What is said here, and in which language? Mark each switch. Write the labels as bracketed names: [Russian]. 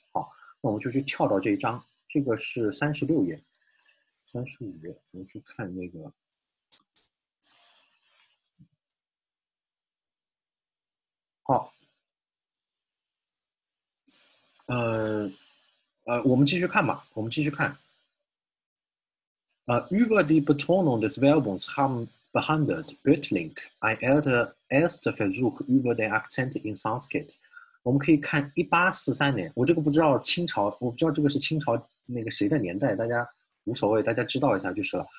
[Chinese] 好，那我们就去跳到这一章，这个是36页，35页，我们去看那个。好，我们继续看吧，我们继续看。 [German] Über die Betonung des Verbums haben behandelt Bertlink, ein erster Versuch über den Akzent in Sanskrit。 [Chinese] 我们可以看1843年，我这个不知道清朝，我不知道这个是清朝那个谁的年代，大家无所谓，大家知道一下就是了。